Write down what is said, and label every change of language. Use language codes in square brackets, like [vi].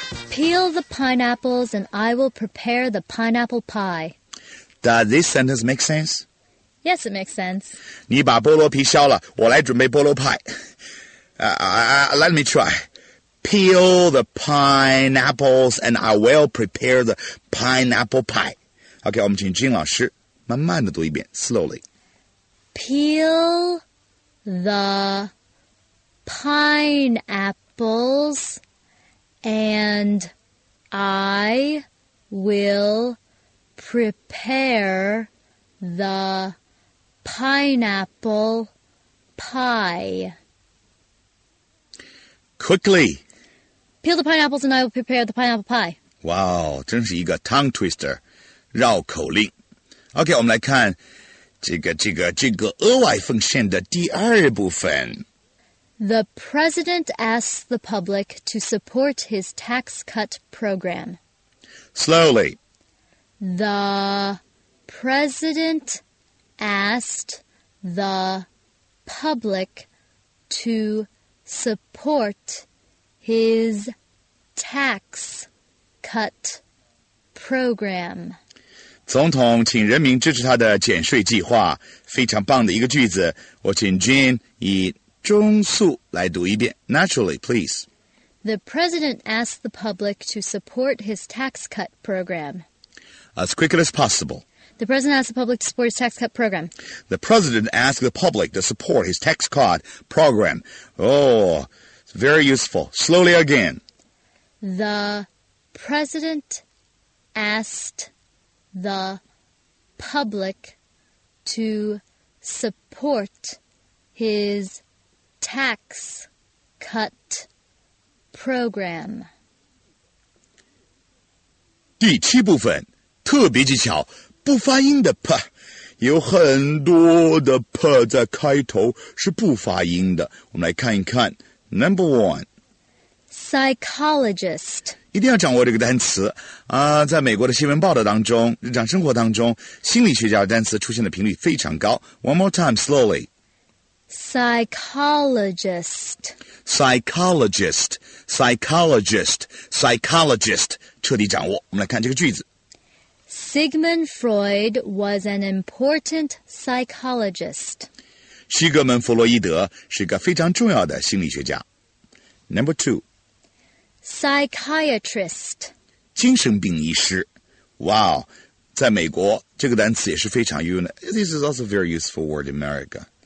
[en] Peel the pineapples and I will prepare the pineapple pie. Does this sentence make sense? Yes, it makes sense. [zh] 你把菠萝皮削了，我来准备菠萝派。 [en] Let me try. Peel the pineapples and I will prepare the pineapple pie. [zh] Okay, 我们请金老师慢慢的读一遍 [en] slowly. Peel the pineapples and I will prepare the pineapple pie. Quickly. Peel the pineapples and I will prepare the pineapple pie. [zh] Wow, 真是一个 [en] tongue twister, [zh] 绕口令。 OK, 我们来看这个额外奉献的第二部分。 [en] The president asks the public to support his tax cut program. Slowly. The president asked the public to support his tax cut program. [zh] 总统请人民支持他的减税计划，非常棒的一个句子。我请 Jean 以中速来读一遍。 [en] Naturally, please. The president asked the public to support his tax cut program. As quick as possible. The president asked the public to support his tax cut program. The president asked the public to support his tax cut program. Oh... Very useful. Slowly again. The president asked the public to support his tax cut program. [zh] 第七部分，特别技巧，不发音的 p, 有很多的 p 在开头是不发音的，我们来看一看。 [en] Number 1. Psychologist. [zh] 一定要掌握这个单词。在美国的新闻报道当中，日常生活当中，心理学家的单词出现的频率非常高。 [en] One more time, slowly. psychologist. Psychologist, psychologist, psychologist. [zh] 彻底掌握。我们来看这个句子。 [en] Sigmund Freud was an important psychologist. [zh] 西格门·弗洛伊德是一个非常重要的心理学家。 [en] Number two. Psychiatrist. [zh] 精神病医师。 Wow, 在美国这个单词也是非常用的。 [en] This is also a very useful word in America.